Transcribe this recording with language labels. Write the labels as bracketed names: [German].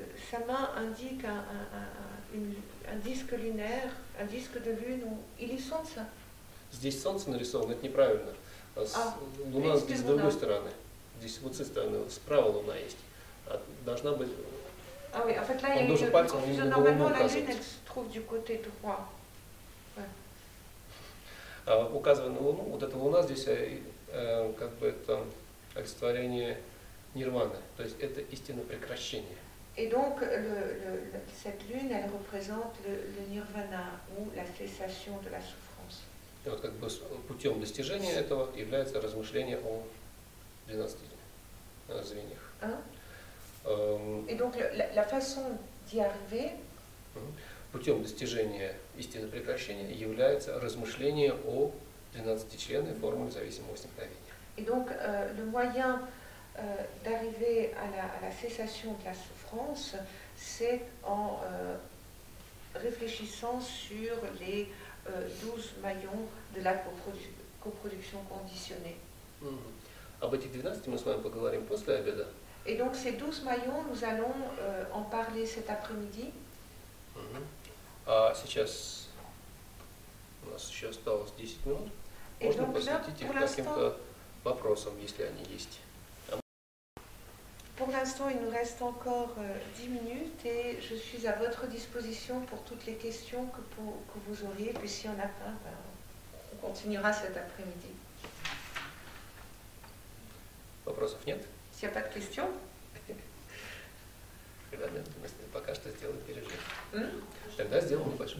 [French] Sa main indique un disque lunaire, un disque de lune, il est [Russian] солнце. Здесь солнце нарисовано, это неправильно. Луна здесь с другой стороны. Здесь вот с этой стороны, справа луна есть. А должна быть. [French] Ah oui, en fait là il y a une confusion. Normalement la lune elle se trouve du côté droit. [Russian] Указывая на луну, вот эта луна здесь как бы это олицетворение нирваны, то есть это истина прекращения. [French] Et donc cette lune elle représente le nirvana ou la cessation de la souffrance. [Russian] И вот как бы путем достижения этого является размышление о 12 звеньях. [French] Et donc la façon d'y arriver. [Russian] Путем достижения истины прекращения является размышление о 12 членах формулы зависимого возникновения. [French] Et donc le moyen d'arriver à la cessation de la souffrance, c'est en réfléchissant sur les 12 maillons de la coproduction conditionnée. [Russian] Об этих 12 мы с вами поговорим после обеда. [French] Et donc ces 12 maillons, nous allons en parler cet après-midi. [Russian] А сейчас у нас еще осталось 10 минут. [French] Et [Russian] можно [French] donc, [Russian] посвятить их каким-то вопросам, если они есть. [French] Pour l'instant, il nous reste encore 10 minutes et je suis à votre disposition pour toutes les questions que vous auriez. Puis s'il n'y en a pas, on continuera cet après-midi. [Russian] Вопросов нет? [French] S'il n'y a pas de questions? [Russian] Пока что сделаем перерыв. Тогда сделаем небольшой